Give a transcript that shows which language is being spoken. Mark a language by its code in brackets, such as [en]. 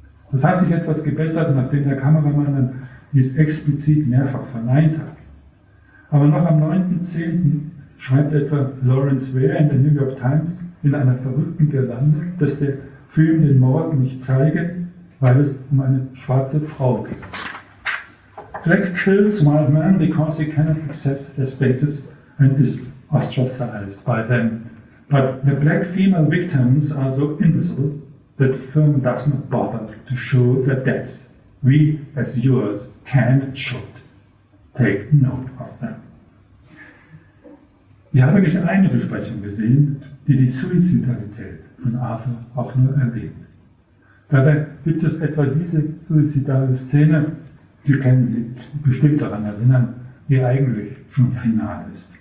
[de] Das hat sich etwas gebessert, nachdem der Kameramann dies explizit mehrfach verneint hat. Aber noch am 9.10. schreibt etwa Lawrence Ware in der New York Times in einer verrückten Girlande, dass der Film den Mord nicht zeige, weil es um eine schwarze Frau geht. [en] Fleck kills wild men because he cannot access their status and is ostracized by them. But the black female victims are so invisible that the film does not bother to show their deaths. We, as viewers, can and should take note of them. [de] Ich habe wirklich eine Besprechung gesehen, die Suizidalität von Arthur auch nur erwähnt. Dabei gibt es etwa diese suizidale Szene, die können Sie bestimmt daran erinnern, die eigentlich schon final ist.